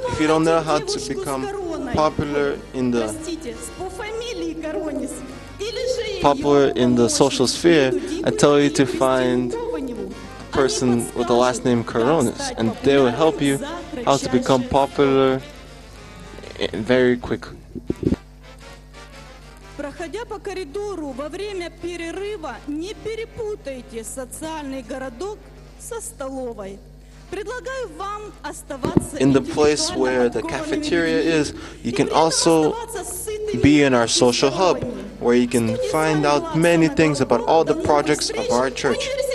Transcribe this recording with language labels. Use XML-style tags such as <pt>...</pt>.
<en>If you don't know how to become popular in the social sphere, I tell you to find a person with the last name Coronis, and they will help you how to become popular very quickly.</en> <ru>Проходя по коридору во время перерыва, не перепутайте социальный городок со столовой. Предлагаю вам оставаться</ru> <en>in the place where the cafeteria is, you can also be in our social hub, where you can find out many things about all the projects of our church.</en>